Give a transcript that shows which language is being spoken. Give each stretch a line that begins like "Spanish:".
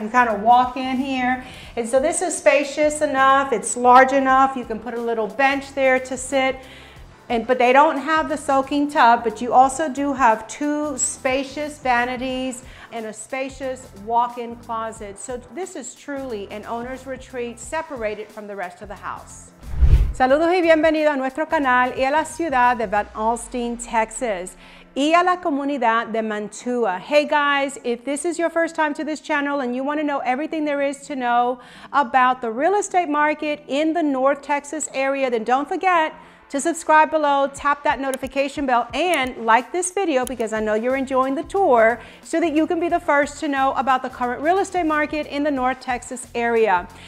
English: You kind of walk in here. And so this is spacious enough, it's large enough, you can put a little bench there to sit. But they don't have the soaking tub, but you also do have two spacious vanities and a spacious walk-in closet. So this is truly an owner's retreat separated from the rest of the house.
Spanish: Saludos y bienvenido a nuestro canal y a la ciudad de Van Alstyne, Texas. Y a la comunidad de Mantua.
English: Hey guys, if this is your first time to this channel and you want to know everything there is to know about the real estate market in the North Texas area, then don't forget to subscribe below, tap that notification bell, and like this video because I know you're enjoying the tour so that you can be the first to know about the current real estate market in the North Texas area.